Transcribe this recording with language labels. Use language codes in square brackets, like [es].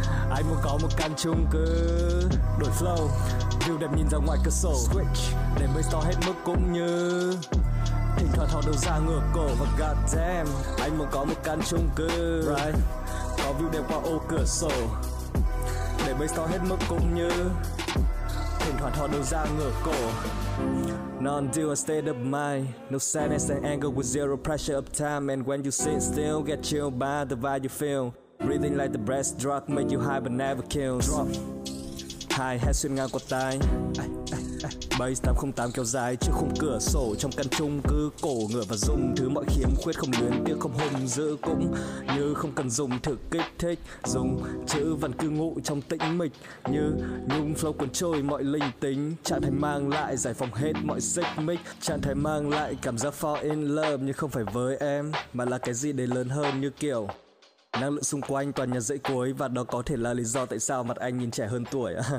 [vi] Anh muốn có một căn chung cư đổi flow, view đẹp nhìn ra ngoài cửa sổ, switch để bass to hết mức cũng như thỉnh thoảng thò đầu ra ngửa cổ và god damn, anh muốn có một căn chung cư, right, có view đẹp qua ô cửa sổ để bass to hết mức cũng như thỉnh thoảng thò đầu ra ngửa cổ. [en] Non-dual state of mind, no sadness and anger with zero pressure of time, and when you sit still, get chilled by the vibe you feel, breathing like the best drug, make you high but never kills. [vi] Drop high, head xuyên ngang qua tai, bass 808 kéo dài trước khung cửa sổ trong căn chung cư cổ, ngửa và dùng thứ mọi khiếm khuyết không luyến tiếc, không hùng dữ cũng như không cần dùng thử kích thích, dùng chữ vẫn cư ngụ trong tĩnh mịch như nhung flow cuốn trôi mọi linh tính, trạng thái mang lại giải phóng hết mọi xích mích, trạng thái mang lại cảm giác fall in love, nhưng không phải với em mà là cái gì đấy lớn hơn, như kiểu năng lượng xung quanh toàn nhà dãy cuối, và đó có thể là lý do tại sao mặt anh nhìn trẻ hơn tuổi.